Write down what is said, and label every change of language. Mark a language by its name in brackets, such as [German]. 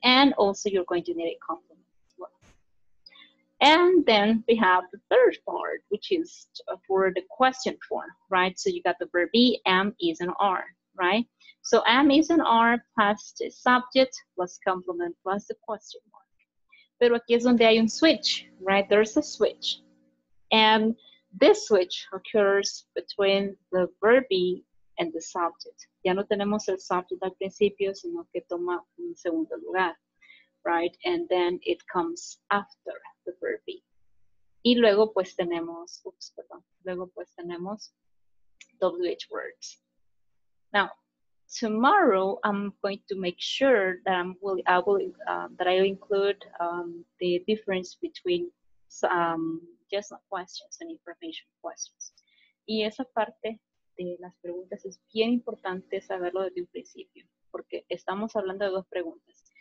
[English] And also you're going to need a complement as well. And then we have the third part, which is for the question form, right? So you got the verb be, am, is, and are, right? So am, is, and are plus the subject plus complement plus the question mark. [Spanish] Pero aquí es donde hay un switch, [English] right? There's a switch. And this switch occurs between the verb be and the subject. [Spanish] Ya no tenemos el subject al principio, sino que toma un segundo lugar, [English] right? And then it comes after the verb be. [Spanish] Y luego pues tenemos, oops, perdón. Luego pues tenemos WH words. [English] Now, tomorrow I'm going to make sure that I will include the difference between just not questions and information questions. [Spanish] Y esa parte de las preguntas es bien importante saberlo desde un principio, porque estamos hablando de dos preguntas.